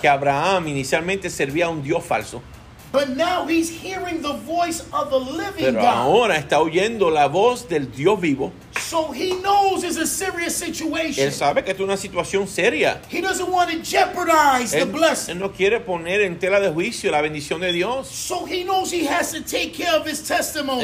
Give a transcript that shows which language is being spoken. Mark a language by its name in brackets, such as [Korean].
[Spanish] Que Abraham inicialmente servía a un dios falso. [English] But now he's hearing the voice of the living [Spanish] Pero Pero ahora está oyendo la voz del Dios vivo. [English] So he knows it's a serious situation. [Spanish] Él sabe que es una situación seria. [English] He doesn't want to jeopardize the blessing. [Spanish] Él no quiere poner en tela de juicio la bendición de Dios. [English] So he knows he has to take care of his testimony.